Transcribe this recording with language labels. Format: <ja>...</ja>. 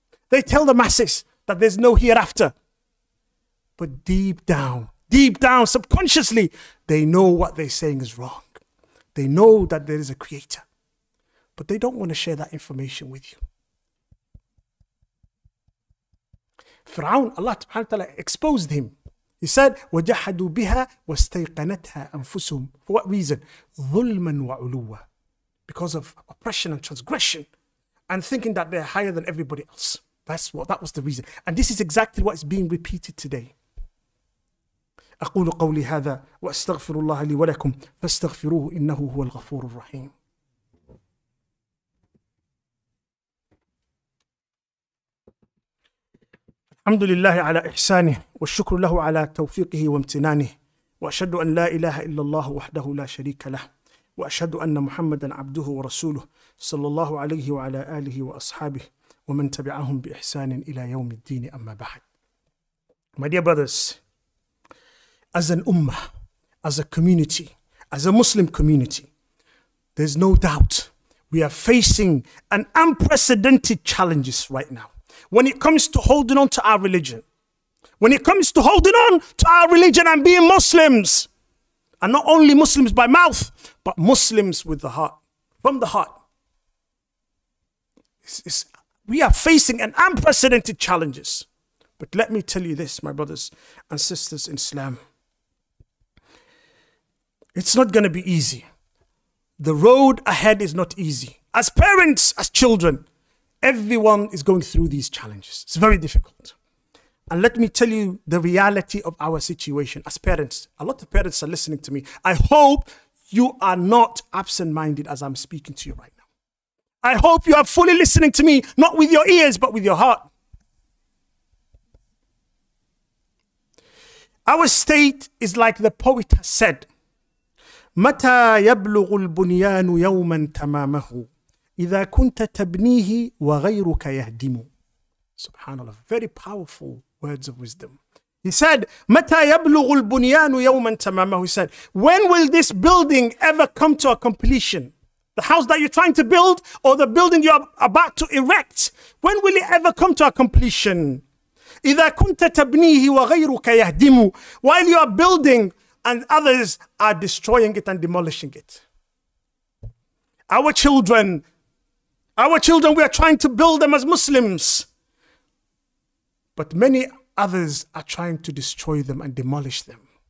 <en>They tell the masses that there's no hereafter. But deep down, subconsciously, they know what they're saying is wrong. They know that there is a creator. But they don't want to share that information with you. Fir'aun, Allah subhanahu wa ta'ala exposed him. He said,</en> <ar>وَجَحَدُوا بِهَا وَاسْتَيْقَنَتْهَا أَنفُسُهُمْ.</ar> <en>For what reason?</en> <ar>ظُلْمًا وَعُلُوَّ.</ar> <en>Because of oppression and transgression. And thinking that they're higher than everybody else. That was the reason. And this is exactly what is being repeated today.</en> <ar>أقول قولي هذا وأستغفر الله لي ولكم فاستغفروه إنه هو الغفور الرحيم. الحمد لله على إحسانه والشكر له على توفيقه وامتنانه وأشهد أن لا إله إلا الله وحده لا شريك له وأشهد أن محمدا عبده ورسوله صلى الله عليه وعلى آله وأصحابه ومن تبعهم بإحسان إلى يوم الدين أما بعد.</ar> <en>My dear brothers, as an ummah, as a community, as a Muslim community, there's no doubt we are facing an unprecedented challenges right now when it comes to holding on to our religion. When it comes to holding on to our religion and being Muslims, and not only Muslims by mouth, but Muslims with the heart, from the heart. We are facing an unprecedented challenges. But let me tell you this, my brothers and sisters in Islam. It's not going to be easy. The road ahead is not easy. As parents, as children, everyone is going through these challenges. It's very difficult. And let me tell you the reality of our situation. As parents, a lot of parents are listening to me. I hope you are not absent-minded as I'm speaking to you right now. I hope you are fully listening to me, not with your ears, but with your heart. Our state is like the poet has said,</en> <ar>متى يبلغ البنيان يوما تمامه إذا كنت تبنيه وغيرك يهدم.</ar> <en>Subhanallah, very powerful words of wisdom. He said,</en> <ar>متى يبلغ البنيان يوما تمامه.</ar> <en>He said, when will this building ever come to a completion? The house that you're trying to build, or the building you're about to erect, when will it ever come to a completion?</en> <ar>إذا كنت تبنيه وغيرك يهدم.</ar> <en>While you are building, and others are destroying it and demolishing it. Our children, Our children, we are trying to build them as Muslims. But many others are trying to destroy them and demolish them.</en>